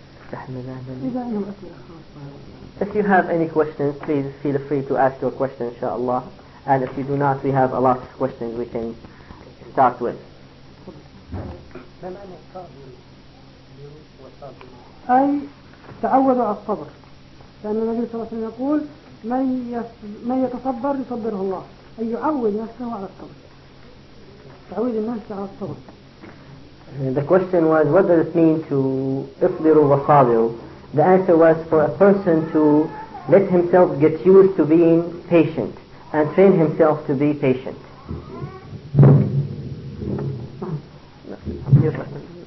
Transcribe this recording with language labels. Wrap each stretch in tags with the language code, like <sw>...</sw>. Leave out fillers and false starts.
<en>If you have any questions, please feel free to ask your question, inshallah. And if you do not, we have a lot of questions we can start with.</en> <ar>أي تعود على الصبر، لأن النبي صلى الله عليه وسلم يقول من يتصبر يصبره الله، أي يعود نفسه على الصبر، تعود الناس على الصبر.</ar> <en>The question was, what does it mean to</en> <ar>اصبروا وصابروا?</ar> <en>The answer was for a person to let himself get used to being patient and train himself to be patient.</en>